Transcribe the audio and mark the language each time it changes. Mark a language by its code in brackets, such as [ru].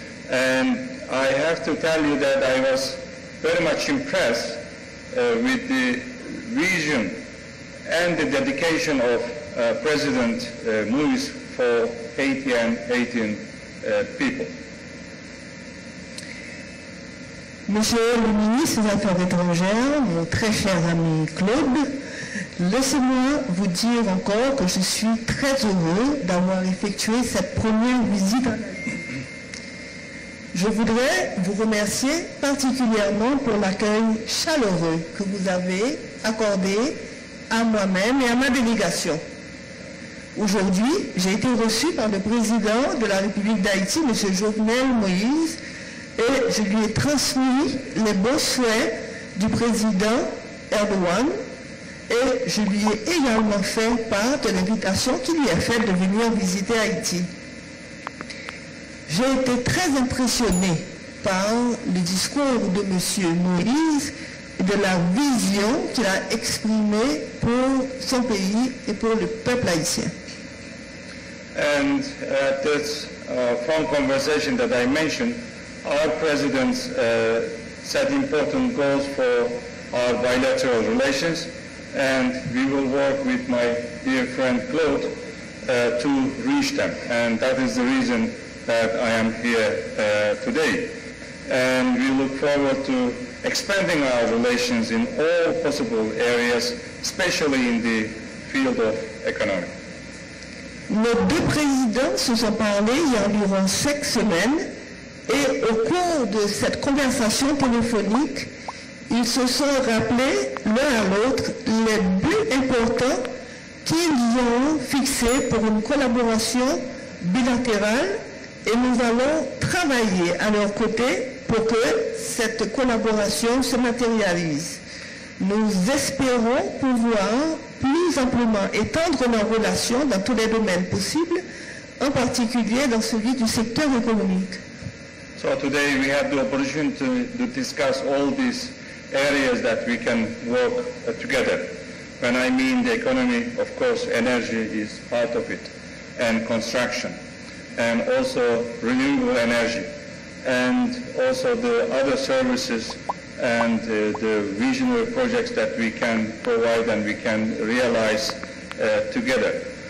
[en] And I have to tell you that I was very much impressed with the vision and the dedication of President Moïse for Haiti and Haitian people. [fr] Monsieur le ministre des Affaires étrangères, mon très cher ami Claude, laissez-moi vous dire encore que je suis très heureux d'avoir effectué cette première visite. Je voudrais vous remercier particulièrement pour l'accueil chaleureux que vous avez accordé à moi-même et à ma délégation. Aujourd'hui, j'ai été reçu par le président de la République d'Haïti, M. Jovenel Moïse, et je lui ai transmis les beaux souhaits du président Erdogan et je lui ai également fait part de l'invitation qu'il lui a faite de venir visiter Haïti. J'ai été très impressionnée par le discours de M. Moïse et de la vision qu'il a exprimée pour son pays et pour le peuple haïtien. [en] And that phone conversation that I mentioned, our president set important goals for our bilateral relations, and we will work with my dear friend Claude to reach them. And that is the reason that I am here today. And we look forward to expanding our relations in all possible areas, especially in the field of economy. [fr] Nos deux présidents se sont parlé il y a environ 5 semaines et au cours de cette conversation téléphonique, ils se sont rappelés l'un à l'autre les buts importants qu'ils ont fixés pour une collaboration bilatérale et nous allons travailler à leur côté pour que cette collaboration se matérialise. Nous espérons pouvoir plus amplement étendre nos relations dans tous les domaines possibles, en particulier dans celui du secteur économique. [en] So today we have the opportunity to discuss all these areas that we can work together. When I mean the economy, of course, energy is part of it, and construction, and also renewable energy, and also the other services and the visionary projects that we can provide and we can realize together.